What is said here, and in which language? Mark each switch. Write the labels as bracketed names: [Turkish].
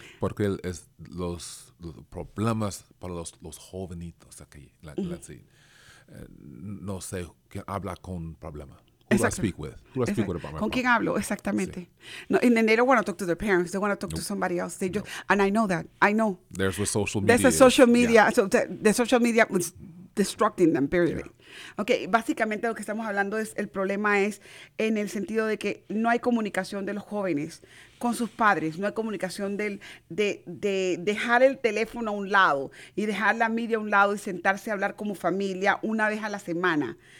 [Spanish] Porque es los problemas para los jovenitos aquí. La, mm-hmm. la, no sé quién habla con problema. [English] Who do I speak with? Who do I speak with about my [Spanish] ¿Con [English] problem? [Spanish] Quién hablo? Exactamente. [English] No, and then they don't want to talk to their parents. They want to talk to somebody else. They just, and I know that. I know. There's what social media. There's a social media. Yeah. So the social media was destructing them, period. Yeah. [Spanish] Okay, básicamente lo que estamos hablando es, el problema es en el sentido de que no hay comunicación de los jóvenes con sus padres, no hay comunicación de dejar el teléfono a un lado y dejar la media a un lado y sentarse a hablar como familia una vez a la semana.